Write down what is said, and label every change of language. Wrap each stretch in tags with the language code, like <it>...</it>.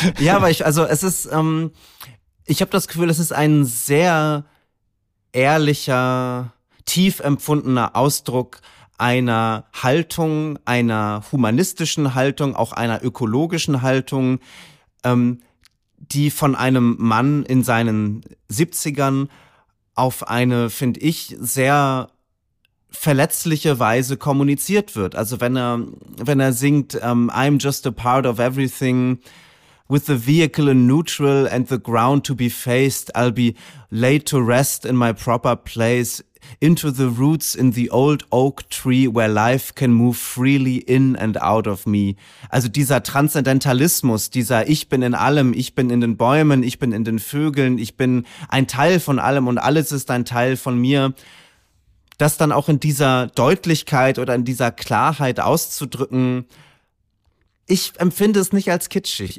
<de>Ja, aber ich habe das Gefühl, es ist ein sehr ehrlicher, tief empfundener Ausdruck einer Haltung, einer humanistischen Haltung, auch einer ökologischen Haltung, die von einem Mann in seinen 70ern auf eine, finde ich, sehr verletzliche Weise kommuniziert wird. Also wenn er singt,</de> <en>I'm just a part of everything, with the vehicle in neutral and the ground to be faced, I'll be laid to rest in my proper place, into the roots in the old oak tree where life can move freely in and out of me.</en> <de>Also dieser Transzendentalismus, dieser ich bin in allem, ich bin in den Bäumen, ich bin in den Vögeln, ich bin ein Teil von allem und alles ist ein Teil von mir, das dann auch in dieser Deutlichkeit oder in dieser Klarheit auszudrücken, ich empfinde es nicht als kitschig.</de>